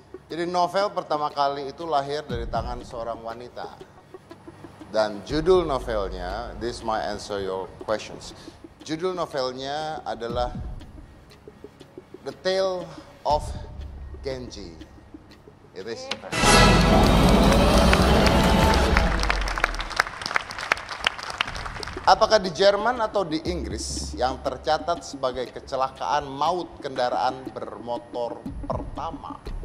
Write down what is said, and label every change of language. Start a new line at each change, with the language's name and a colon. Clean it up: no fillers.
Indonesian: Jadi novel pertama kali itu lahir dari tangan seorang wanita. Dan judul novelnya,
English: this might answer your questions.
Indonesian: Judul novelnya adalah The Tale of Genji.
English: It is.
Indonesian: Apakah di Jerman atau di Inggris yang tercatat sebagai kecelakaan maut kendaraan bermotor pertama?